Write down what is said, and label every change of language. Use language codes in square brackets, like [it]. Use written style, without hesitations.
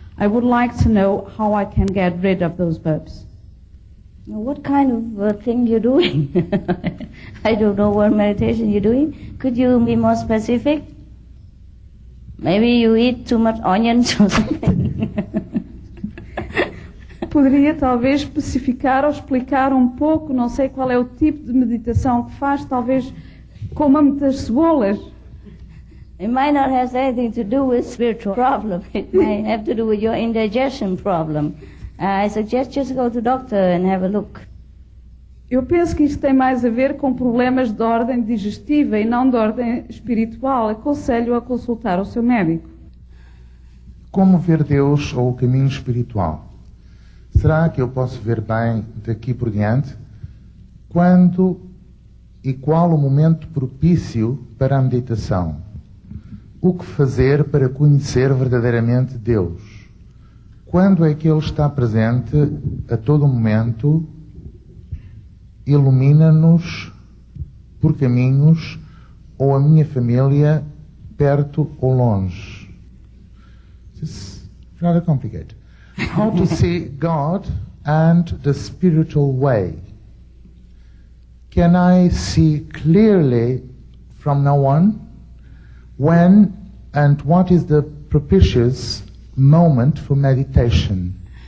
[en] I would like to know how I can get rid of those burps. What kind of thing you're doing? I don't know what meditation you're doing. Could you be more specific? Maybe you eat too much onions or something. [pt] Poderia talvez especificar ou explicar um pouco, não sei qual é o tipo de meditação que faz, talvez coma muitas cebolas. [en] It might not have anything to do with spiritual problem. It might have to do with your indigestion problem. I suggest just go to the doctor and have a look. [pt] Eu penso que isto tem mais a ver com problemas de ordem digestiva e não de ordem espiritual. Aconselho-o a consultar o seu médico. Como ver Deus ou o caminho espiritual? Será que eu posso ver bem daqui por diante? Quando e qual o momento propício para a meditação? O que fazer para conhecer verdadeiramente Deus? Quando é que Ele está presente a todo momento? Ilumina-nos por caminhos ou a minha família, perto ou longe? [en] It's rather complicated. How to see God and the spiritual way? Can I see clearly from now on? When and what is the propitious moment for meditation?